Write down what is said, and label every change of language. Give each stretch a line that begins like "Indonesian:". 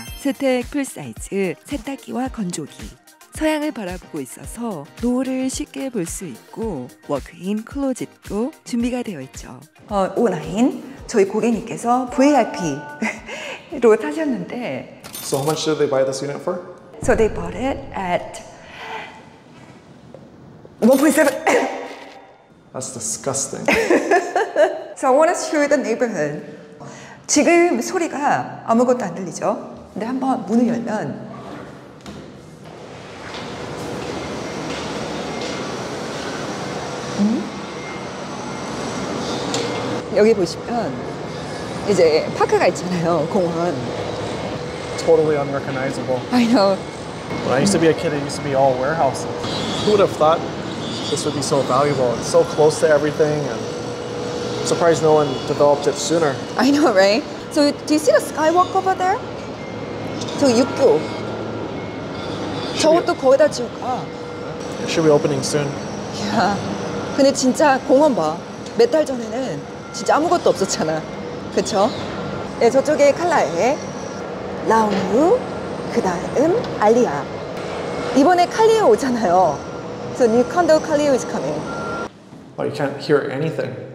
Korean: 스택 풀사이즈, 세탁기와 건조기. 서양을 바라보고 있어서 노을을 쉽게 볼 수 있고 워크인 클로젯도 준비가 되어 있죠. 온라인 저희 고객님께서 VIP로 타셨는데
English: So how much did they buy this unit for? So they bought it at 1.7 That's disgusting. So I want to show you the neighborhood.
Korean: 지금 소리가 아무것도 안 들리죠? 근데 한번 문을 열면 여기 보시면 이제 파크가 있잖아요, 공원.
English: Totally unrecognizable. I know. When I used to be a kid, it used to be all warehouses. Who would have thought this would be so valuable? It's so close to everything. And I'm surprised no one developed it sooner. I know, right? So do you see the skywalk over there?
Korean: 저 육교. 저것도 거의 다 지울까?
English: It should be opening soon.
Korean: Yeah. 근데 진짜 공원 봐. 몇 달 전에는 진짜 아무것도 없었잖아. 그쵸? 네, 저쪽에 칼라에 라우누, 그 다음 알리아. 이번에 칼리에 오잖아요.
English: So new condo Kalio is coming. Oh, you can't hear anything.